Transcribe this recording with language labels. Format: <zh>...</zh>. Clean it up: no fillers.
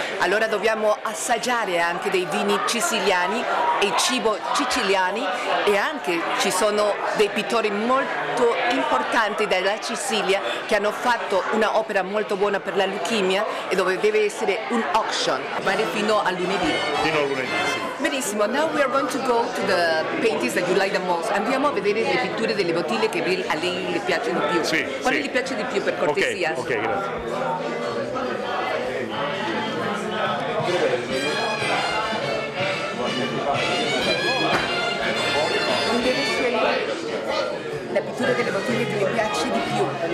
<it>Allora dobbiamo assaggiare anche dei vini siciliani e cibo siciliani, e anche ci sono dei pittori molto importanti della Sicilia che hanno fatto un'opera molto buona per la leucemia, e dove deve essere un auction. Vale fino a lunedì. Fino a lunedì, sì.</it> <en>Benissimo, now we are going to go to the paintings that you like the most.</en> <it>Andiamo a vedere le pitture delle bottiglie che a lei le piace di più. Sì, quale sì. Le piace di più, per cortesia? Ok, okay, grazie. Non deve scegliere la pittura delle bottiglie che le piace di più.</it>